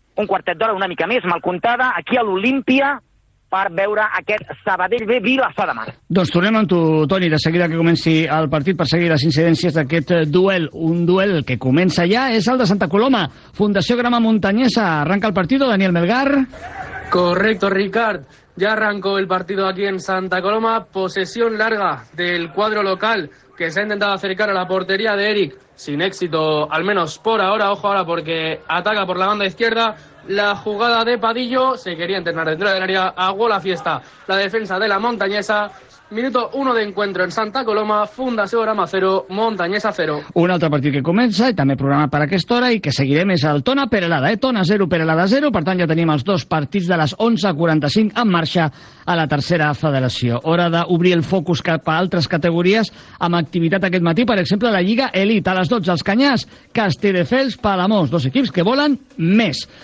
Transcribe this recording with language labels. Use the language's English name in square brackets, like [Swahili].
[Catalan] Un quartet d'hora una mica més mal comptada aquí a l'Olímpia per veure aquest Sabadell B Vilassar de Mar. Doncs tornem amb tu, Toni, de seguida que comenci el partit per seguir les incidències d'aquest duel. Un duel que comença ja és el de Santa Coloma. Fundació Grama Montañesa, arranca el partit, Daniel Melgar. [Spanish] Correcto, Ricard. Ya arrancó el partido aquí en Santa Coloma. Posesión larga del cuadro local que se ha intentado acercar a la portería de Eric. Sin éxito, al menos por ahora. Ojo ahora porque ataca por la banda izquierda. La jugada de Padillo. Se quería entrenar dentro del área. Aguó la fiesta la defensa de la Montañesa. Minuto 1 de encuentro en Santa Coloma, Fundació Grama 0, Montañesa 0. [Catalan] Un altre partit que comença, i també programat per aquesta hora, i que seguirem és el Tona Peralada, Tona 0, Peralada 0. Per tant, ja tenim els dos partits de les 11:45 en marxa a la tercera federació. Hora d'obrir el focus cap a altres categories amb activitat aquest matí, per exemple, la Lliga Elite. A les 12, els Canyars, Castelldefels, Palamós, dos equips que volen més.